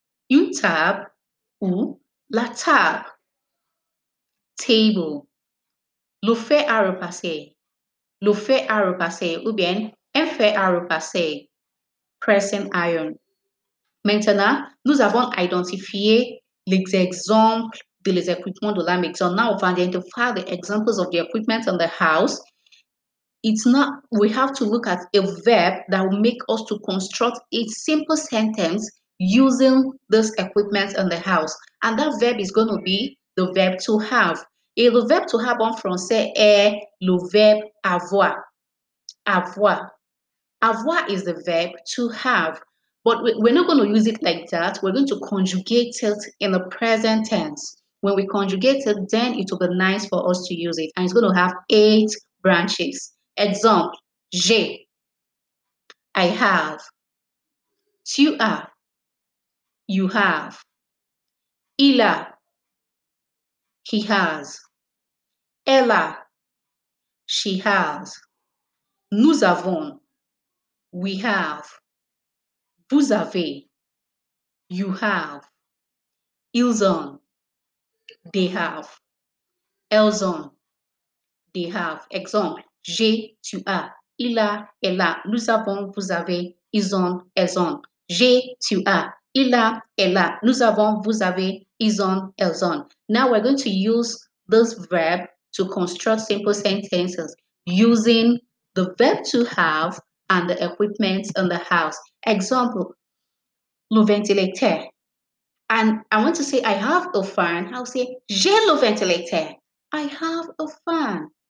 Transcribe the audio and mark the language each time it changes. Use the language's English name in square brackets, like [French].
[French] Une table ou la table. Table. Le fer à repasser. Le fer à repasser ou bien un fer à repasser. [English] Pressing iron. [French] Maintenant, nous avons identifié les exemples de les équipements de la maison. [English] Now, we've identified the examples of the equipment in the house. It's not, we have to look at a verb that will make us to construct a simple sentence using this equipment in the house. And that verb is going to be the verb to have. [French] Et le verbe to have en français est le verbe avoir. Avoir. Avoir [English] is the verb to have. But we're not going to use it like that. We're going to conjugate it in the present tense. When we conjugate it, then it will be nice for us to use it. And it's going to have 8 branches. [French] Exemple, j'ai, [English] I have, [French] tu as, [English] you have, [French] il a, [English] he has, [French] elle a, [English] she has, [French] nous avons, [English] we have, [French] vous avez, [English] you have, [French] ils ont, [English] they have, [French] elles ont, [English] they have. [French] Exemple. J'ai, tu as, il a, elle a, nous avons, vous avez, ils ont, elles ont. J'ai, tu as, il a, elle a, nous avons, vous avez, ils ont, elles ont. [English] Now we're going to use this verb to construct simple sentences using the verb to have and the equipment in the house. Example, le ventilateur. And I want to say I have a fan. I'll say [French] j'ai le ventilateur. [English] I have a fan.